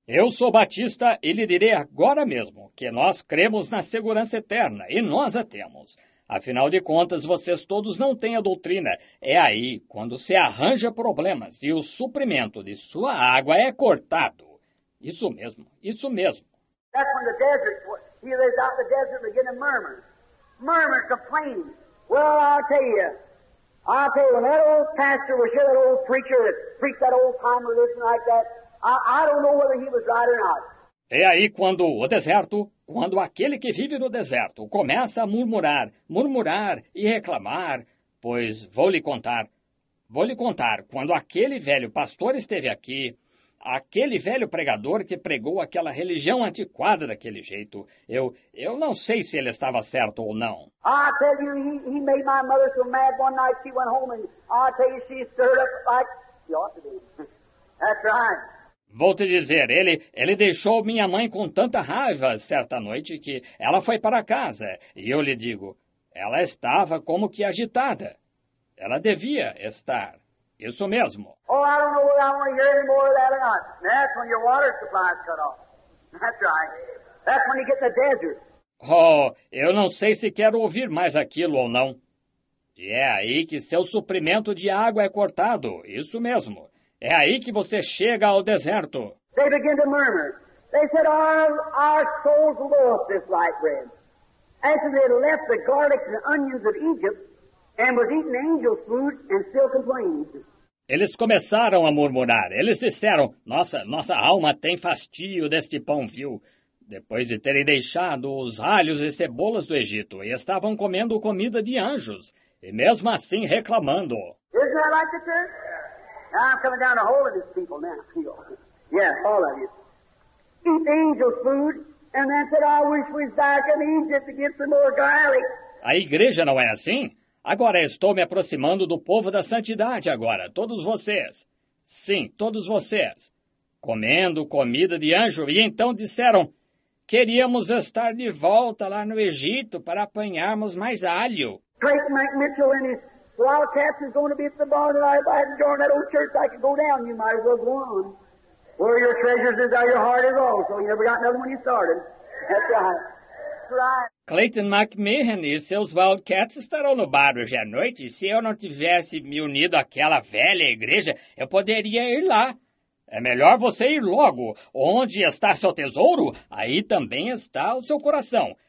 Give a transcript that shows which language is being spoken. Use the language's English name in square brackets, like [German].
[Portuguese] Eu sou batista e lhe direi agora mesmo que nós cremos na segurança eterna e nós a temos. Afinal de contas, vocês todos não têm a doutrina. É aí quando se arranja problemas e o suprimento de sua água é cortado. Isso mesmo, isso mesmo. [English] That's when the desert, he lives out in the desert and begin to murmur. Murmur, complain. Well, I'll tell you, when that old pastor was here, that old preacher that preached that old time religion like that, I don't know whether he was right or not. [Portuguese] É aí quando o deserto, quando aquele que vive no deserto, começa a murmurar, murmurar e reclamar, pois vou lhe contar, quando aquele velho pastor esteve aqui, aquele velho pregador que pregou aquela religião antiquada daquele jeito, eu não sei se ele estava certo ou não. [English] I tell you, he made my mother so mad one night she went home and I tell you she stirred up like she ought to be. That's right. [Portuguese] Vou te dizer, ele deixou minha mãe com tanta raiva certa noite que ela foi para casa. E eu lhe digo, ela estava como que agitada. Ela devia estar. Isso mesmo. [English] Oh, I don't know whether I want to hear any more of that or not. That's when your water supply is cut off. That's right. That's when you get the desert. [Portuguese] Oh, eu não sei se quero ouvir mais aquilo ou não. E é aí que seu suprimento de água é cortado. Isso mesmo. É aí que você chega ao deserto. [English] They begin to murmur. They said, our souls love this light bread. After they left the garlic and onions of Egypt and was eating angel food and still complained. [Portuguese] Eles começaram a murmurar. Eles disseram, nossa alma tem fastio deste pão, viu? Depois de terem deixado os alhos e cebolas do Egito e estavam comendo comida de anjos e mesmo assim reclamando. [English] Isn't that like the church? I'm coming down to hold these people now. Yeah, all of you. Eat angel food, and then said, I wish we were back in Egypt to get some more garlic. [Portuguese] A igreja não é assim? Agora estou me aproximando do povo da santidade agora, todos vocês. Sim, todos vocês. Comendo comida de anjo, e então disseram, queríamos estar de volta lá no Egito para apanharmos mais alho. [English] Clayton McMitchell and his Wildcats is going to be at the bar tonight. If I hadn't joined that old church, I could go down. You might as well go on. Where your treasures is, there your heart is also. You never got nothing when you started. That's right. [Portuguese] Clayton McMahon e seus Wildcats estarão no bar hoje à noite. Se eu não tivesse me unido àquela velha igreja, eu poderia ir lá. É melhor você ir logo. Onde está seu tesouro, aí também está o seu coração.